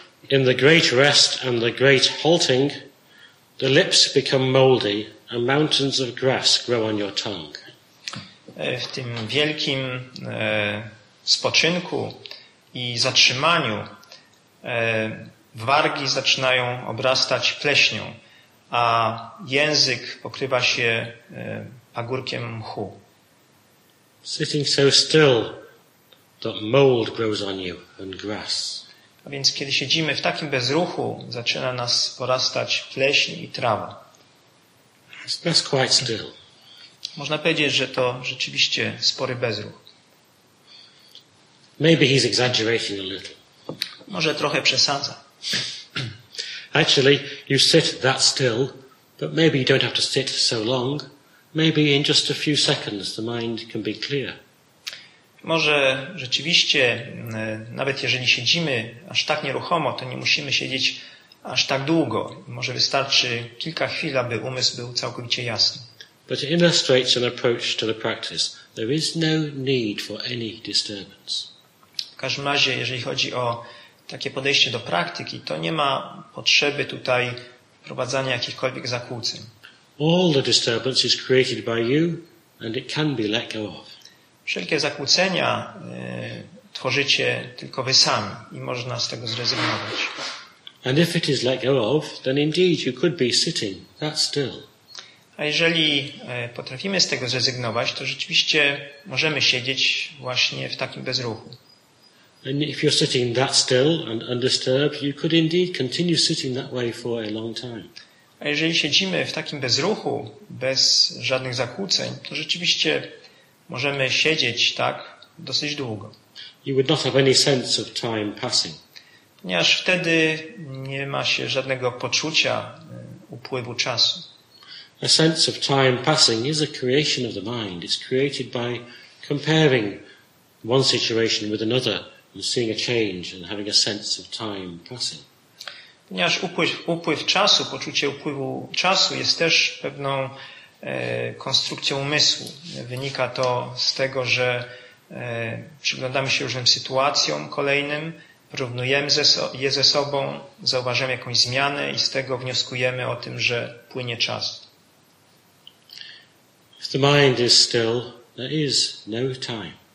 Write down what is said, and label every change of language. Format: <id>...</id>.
<en>In the great rest and the great halting, the lips become moldy and mountains of grass grow on your tongue.</en> <pl>W tym wielkim spoczynku i zatrzymaniu wargi zaczynają obrastać pleśnią, a język pokrywa się pagórkiem mchu.</pl> <en>Sitting so still that mold grows on you and grass.</en> <pl>A więc kiedy siedzimy w takim bezruchu, zaczyna nas porastać pleśń i trawa.</pl> <en>That's quite still.</en> <pl>Można powiedzieć, że to rzeczywiście spory bezruch.</pl> <en>Maybe he's exaggerating a little.</en> <pl>Może trochę przesadza.</pl> <en>Actually, you sit that still, but maybe you don't have to sit so long. Maybe in just a few seconds the mind can be clear.</en> <pl>Może rzeczywiście, nawet jeżeli siedzimy aż tak nieruchomo, to nie musimy siedzieć aż tak długo. Może wystarczy kilka chwil, aby umysł był całkowicie jasny.</pl> <en>But it illustrates an approach to the practice. There is no need for any disturbance.</en> <pl>W każdym razie, jeżeli chodzi o takie podejście do praktyki, to nie ma potrzeby tutaj wprowadzania jakichkolwiek zakłóceń.</pl> <en>All the disturbance is created by you and it can be let go of.</en> <pl>Wszelkie zakłócenia tworzycie tylko wy sami i można z tego zrezygnować.</pl> <en>And if it is let go of, then indeed you could be sitting that still.</en> <pl>A jeżeli potrafimy z tego zrezygnować, to rzeczywiście możemy siedzieć właśnie w takim bezruchu.</pl> <en>And if you're sitting that still and undisturbed, you could indeed continue sitting that way for a long time.</en> <pl>A jeżeli siedzimy w takim bezruchu, bez żadnych zakłóceń, to rzeczywiście możemy siedzieć tak dosyć długo.</pl> <en>You would not have any sense of time passing.</en> <pl>Ponieważ wtedy nie ma się żadnego poczucia upływu czasu.</pl> <en>A sense of time passing is a creation of the mind. It's created by comparing one situation with another and seeing a change and having a sense of time passing.</en> <pl>Ponieważ upływ czasu, poczucie upływu czasu jest też pewną konstrukcją umysłu. Wynika to z tego, że przyglądamy się różnym sytuacjom kolejnym w porównujemy je ze sobą, zauważamy jakąś zmianę i z tego wnioskujemy o tym, że płynie czas.</pl> <en>If the mind is still, there is no time.</en>